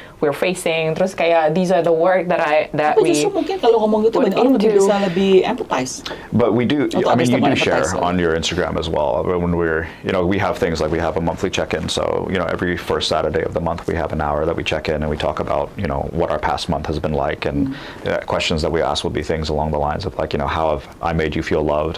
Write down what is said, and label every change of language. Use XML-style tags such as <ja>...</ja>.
<en>we're facing,</en> <id>terus kayak,</id> <en>these are the work that I, that but</en> <id>Justru mungkin kalau ngomong gitu, banyak orang lebih bisa lebih empathize.</id> <en>But we do, I mean, you do share on your Instagram as well. When we're, you know, we have things like we have a monthly check-in. So, you know, every first Saturday of the month, we have an hour that we check in and we talk about, you know, what our past month has been like. And questions that we ask will be things along the lines of like, you know, how have I made you feel loved?</en>